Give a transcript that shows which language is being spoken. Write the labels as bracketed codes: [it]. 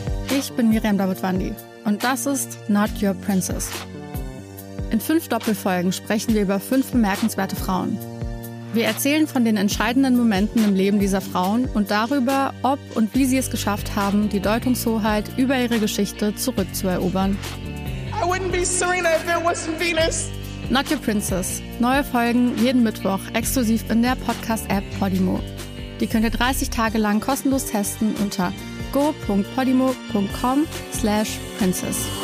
[de] Ich bin Miriam David-Wandi und das ist Not Your Princess. In 5 Doppelfolgen sprechen wir über 5 bemerkenswerte Frauen. Wir erzählen von den entscheidenden Momenten im Leben dieser Frauen und darüber, ob und wie sie es geschafft haben, die Deutungshoheit über ihre Geschichte zurückzuerobern. [en] I wouldn't be Serena if it wasn't Venus. Not Your Princess. [de] Neue Folgen jeden Mittwoch exklusiv in der Podcast-App Podimo. Die könnt ihr 30 Tage lang kostenlos testen unter go.podimo.com/princess.